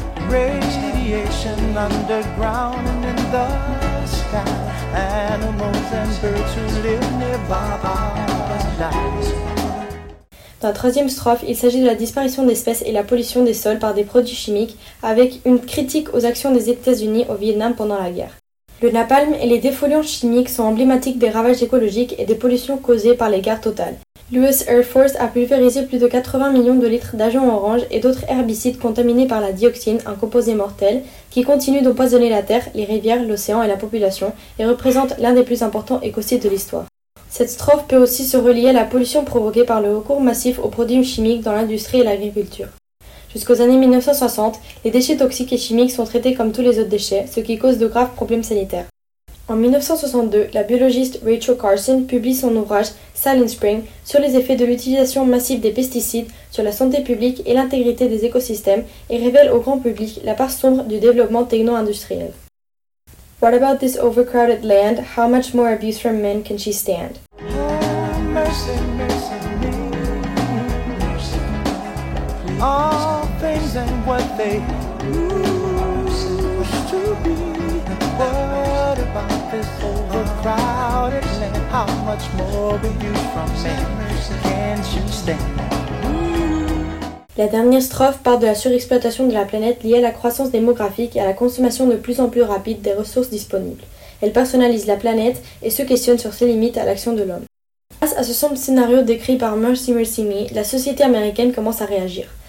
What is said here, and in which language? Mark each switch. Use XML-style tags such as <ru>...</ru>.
<en>Radiation underground and in the sky. Animals and birds who live nearby are dying.</en> <fr>Dans la troisième strophe, il s'agit de la disparition d'espèces et la pollution des sols par des produits chimiques, avec une critique aux actions des États-Unis au Vietnam pendant la guerre. Le napalm et les défoliants chimiques sont emblématiques des ravages écologiques et des pollutions causées par les guerres totales. L'US Air Force a pulvérisé plus de 80 millions de litres d'agent orange et d'autres herbicides contaminés par la dioxine, un composé mortel, qui continue d'empoisonner la terre, les rivières, l'océan et la population, et représente l'un des plus importants écocides de l'histoire. Cette strophe peut aussi se relier à la pollution provoquée par le recours massif aux produits chimiques dans l'industrie et l'agriculture. Jusqu'aux années 1960, les déchets toxiques et chimiques sont traités comme tous les autres déchets, ce qui cause de graves problèmes sanitaires. En 1962, la biologiste Rachel Carson publie son ouvrage Silent Spring sur les effets de l'utilisation massive des pesticides sur la santé publique et l'intégrité des écosystèmes et révèle au grand public la part sombre du développement techno-industriel.</fr> <en>What about this overcrowded land? How much more abuse from men can she stand? Oh, mercy, mercy, mercy, mercy. All things and what they used to be. What about this overcrowded land? How much more abuse from men can she stand?</en> <fr>La dernière strophe parle de la surexploitation de la planète liée à la croissance démographique et à la consommation de plus en plus rapide des ressources disponibles. Elle personnalise la planète et se questionne sur ses limites à l'action de l'homme. Grâce à ce sombre scénario décrit par Mercy Mercy Me, la société américaine commence à réagir.</fr>